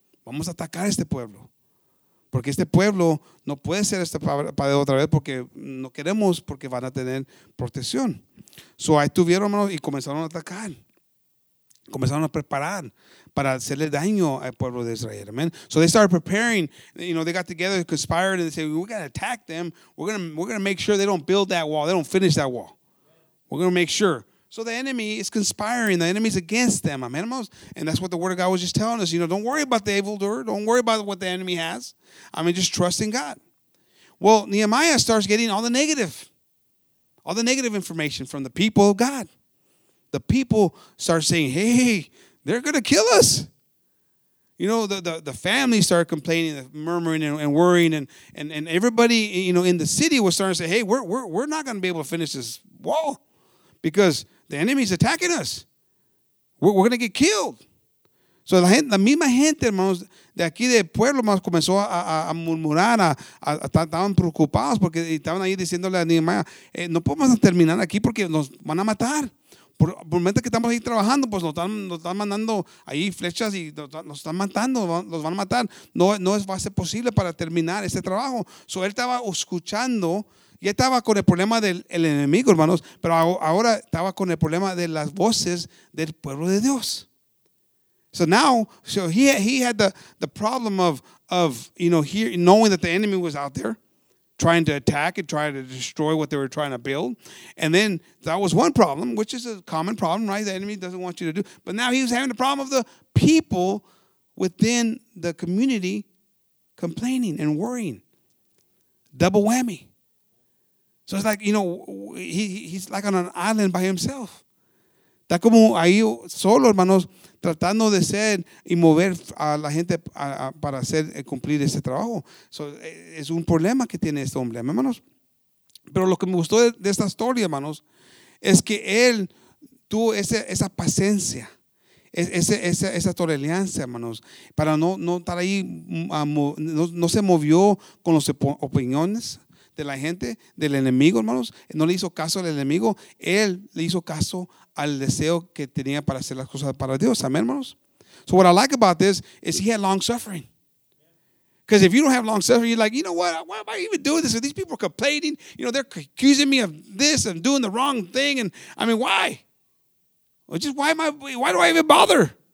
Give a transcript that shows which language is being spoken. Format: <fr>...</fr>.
<es>Vamos a atacar a este pueblo, porque este pueblo no puede ser este padre otra vez porque no queremos, porque van a tener protección. So ahí estuvieron, hermanos, y comenzaron a atacar. Comenzaron a preparar para hacerle daño al pueblo de Israel.</es> <en>Amen. So they started preparing. You know, they got together, conspired, and they said, we got to attack them. We're gonna make sure they don't build that wall. They don't finish that wall. We're going to make sure. So the enemy is conspiring. The enemy is against them. Amen. And that's what the word of God was just telling us. You know, don't worry about the evildoer. Don't worry about what the enemy has. I mean, just trust in God. Well, Nehemiah starts getting all the negative information from the people of God. The people start saying, hey, they're going to kill us. You know, the family started complaining, murmuring and worrying. And everybody, you know, in the city was starting to say, hey, we're not going to be able to finish this wall because the enemy's attacking us. We're going to get killed.</en> <es>So la misma gente, hermanos, de aquí del pueblo, hermanos, comenzó a murmurar, estaban preocupados porque estaban ahí diciéndole a Nehemiah, no podemos terminar aquí porque nos van a matar. Por mientras que estamos ahí trabajando, pues nos están mandando ahí flechas y nos están matando, los van a matar. No va a ser posible para terminar este trabajo. So él estaba escuchando, ya estaba con el problema del enemigo, hermanos, pero ahora estaba con el problema de las voces del pueblo de Dios.</es> <en>So now, so he had the problem of you know, here knowing that the enemy was out there trying to attack and trying to destroy what they were trying to build. And then that was one problem, which is a common problem, right? The enemy doesn't want you to do. But now he was having the problem of the people within the community complaining and worrying. Double whammy. So it's like, you know, he's like on an island by himself.</en> <es>Está como ahí solo, hermanos, tratando de ser y mover a la gente para hacer cumplir ese trabajo. So, es un problema que tiene este hombre, hermanos. Pero lo que me gustó de esta historia, hermanos, es que él tuvo esa paciencia, esa tolerancia, hermanos, para no estar ahí, no se movió con las opiniones de la gente, del enemigo, hermanos. No le hizo caso al enemigo, él le hizo caso al deseo que tenía para hacer las cosas para Dios. Amén, hermanos.</es> <en>So what I like about this is he had long suffering. Because if you don't have long suffering, you're like, you know what? Why am I even doing this? If these people are complaining, you know, they're accusing me of this and doing the wrong thing. And I mean, why? Well, just why do I even bother?</en>